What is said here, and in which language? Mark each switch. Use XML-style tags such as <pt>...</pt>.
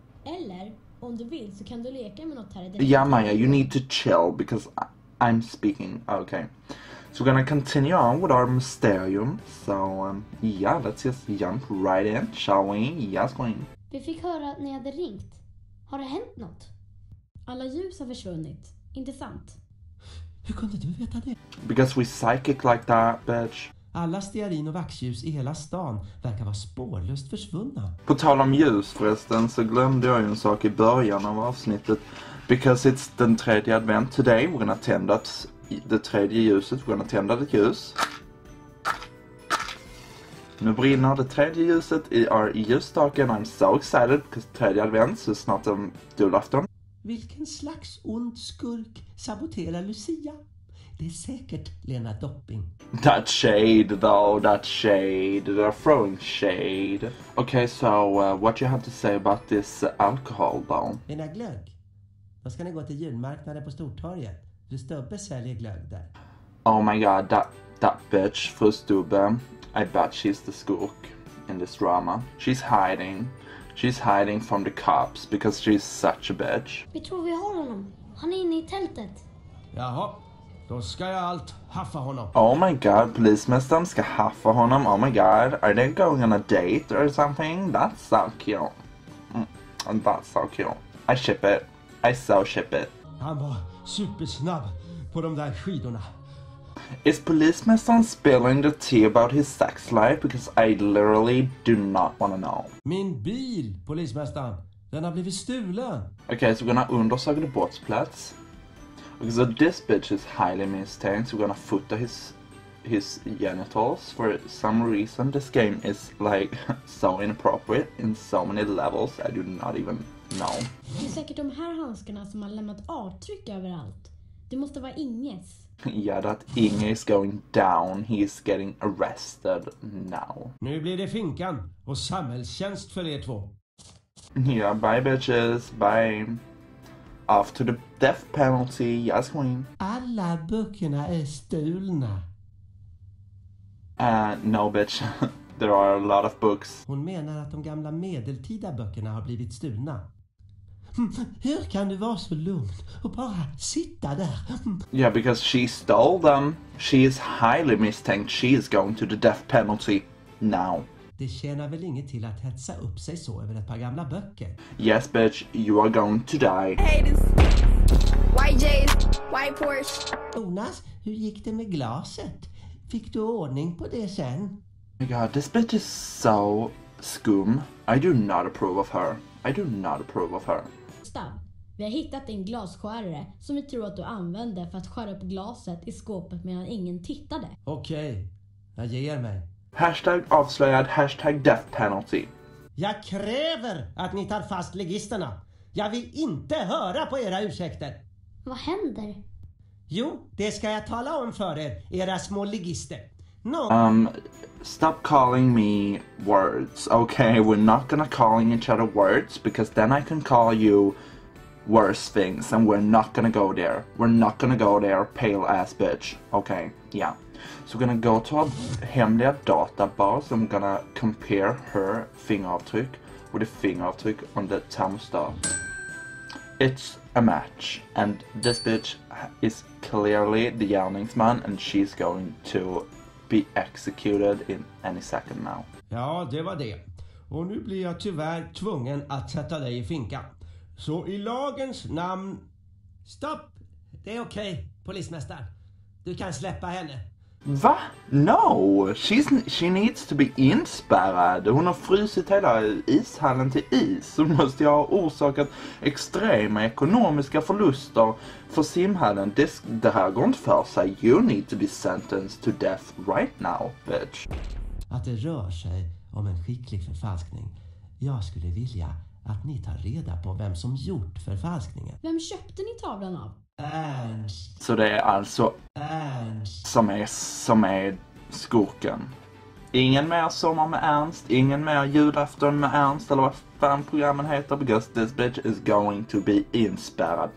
<sv>Eller, om du vill, så kan du leka med något här. Ja,</sv> <en>Maja, you need to chill, because I'm speaking. Okay. So we're gonna continue on with our mysterium. So, yeah, let's just jump right in, shall we? Yes, Queen.</en> <sv>Vi fick höra att ni hade ringt. Har det hänt något? Alla ljus har försvunnit. Inte sant? Hur kunde du veta det?</sv> <en>Because we psychic like that, bitch.</en> <sv>Alla stearin och vaxljus i hela stan verkar vara spårlöst försvunna. På tal om ljus förresten så glömde jag ju en sak i början av avsnittet.</sv> <en>Because it's</en> <sv>den tredje advent</sv> <en>today. We're gonna tend up</en> <sv>det tredje ljuset.</sv> <en>We're gonna tend up the ljus.</en> <sv>Nu brinner det tredje ljuset i</sv> <en>our</en> <sv>ljusstaken.</sv> <en>I'm so excited because</en> <sv>tredje advent så snart om julafton. Vilken slags ond skurk saboterar Lucia? Det är säkert Lena Dopping.</sv> <en>That shade though, that shade. They're throwing shade. Okay, so what you have to say about this alcohol though?</en> <sv>Mina glögg. Då ska ni gå till julmarknaden på Stortorget. Du stubbe säljer glögg där.</sv> <en>Oh my god, that bitch, fru stubbe. I bet she's the skurk in this drama. She's hiding. She's hiding from the cops because she's such a bitch.</en> <sv>Vi tror vi har honom. Han är inne i tältet. Jaha, då ska jag allt haffa honom.</sv> <en>Oh my god,</en> <sv>polismästaren ska haffa honom.</sv> <en>Oh my god, are they going on a date or something? That's so cute. That's so cute. I ship it. I so ship it. Han var supersnabb på de där skidorna. Is policeman spilling the tea about his sex life? Because I literally do not want to know.</en> <sv>Min bil, polismästaren. Den har blivit stulen.</sv> <en>Okay, so we're gonna</en> <sv>undersöka</sv> <en>the brottsplats. Okay, so this bitch is highly mistaken. So we're gonna foota his genitals. For some reason, this game is like so inappropriate in so many levels. I do not even know.</en> <sv>Det är säkert de här handskarna som har lämnat avtryck överallt. Det måste vara Inges.</sv> <en>Yeah, that Inge is going down. He's getting arrested now.</en> <sv>Nu blir det finkan och samhällstjänst för er två.</sv> <en>Yeah, bye bitches. Bye. Off to the death penalty. Yes, queen.</en> <sv>Alla böckerna är stulna.</sv> <en>No, bitch. There are a lot of books.</en> <sv>Hon menar att de gamla medeltida böckerna har blivit stulna. Hur kan du vara så lugn och bara sitta där?</sv> <en>Yeah, because she stole them. She is highly mistaken. She is going to the death penalty now.</en> <sv>Det tjänar väl inget till att hetsa upp sig så över ett par gamla böcker.</sv> <en>Yes, bitch, you are going to die. Hades. White Jays, white Porsche.</en> <sv>Jonas, hur gick det med glaset? Fick du ordning på det sen?</sv> <en>Oh my god, this bitch is so skum. I do not approve of her. I do not approve of her.</en> <sv>Stav, vi har hittat en glasskärare som vi tror att du använde för att skära upp glaset i skåpet medan ingen tittade. Okej, jag ger mig.</sv> <en>Hashtag</en> <sv>avslöjad,</sv> <en>hashtag death penalty.</en> <sv>Jag kräver att ni tar fast legisterna. Jag vill inte höra på era ursäkter. Vad händer? Jo, det ska jag tala om för er, era små legister.</sv> <en>No. Stop calling me words, okay? We're not gonna calling each other words because then I can call you worse things and we're not gonna go there. We're not gonna go there, pale ass bitch, okay? Yeah. So we're gonna go to a</en> <sv>hemliga databas</sv> <en>and we're gonna compare her fingeravtryck with a fingeravtryck on the thermostat. It's a match and this bitch is clearly the gärningsman and she's going to be executed in any second now.</en> <sv>Ja, det var det. Och nu blir jag tyvärr tvungen att sätta dig i finkan. Så i lagens namn... Stopp! Det är okej, polismästaren. Du kan släppa henne. Va?</sv> <en>No! She needs to be inspärrad.</en> <sv>Hon har frysit hela ishallen till is. Hon måste ha orsakat extrema ekonomiska förluster för simhallen. Det här går inte för sig.</sv> <en>You need to be sentenced to death right now, bitch.</en> <sv>Att det rör sig om en skicklig förfalskning. Jag skulle vilja att ni tar reda på vem som gjort förfalskningen. Vem köpte ni tavlan av? Ernst. Så det är alltså Ernst. som är skurken. Ingen mer sommar med Ernst, ingen mer julafton med Ernst eller vad fan programmen heter,</sv> <en>because this bitch is going to be</en> <sv>inspärrad.</sv>